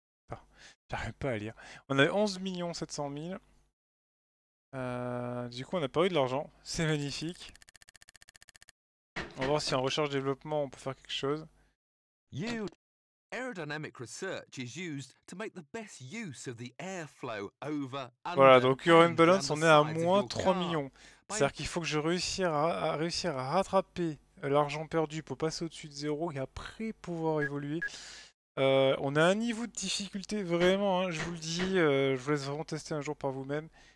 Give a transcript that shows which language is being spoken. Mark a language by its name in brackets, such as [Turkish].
[French] Enfin, j'arrive pas à lire. On avait 11 700 000. Du coup, on a pas eu de l'argent. C'est magnifique. On va voir si en recherche-développement on peut faire quelque chose. [English] Aerodynamic research is used to make the best use of the airflow over. [French] Voilà, donc Urban Balance, on est à moins 3 millions. C'est-à-dire qu'il faut que je réussisse à rattraper l'argent perdu pour passer au-dessus de zéro et après pouvoir évoluer. On a un niveau de difficulté vraiment, hein, je vous le dis, je vous laisse vraiment tester un jour par vous-même.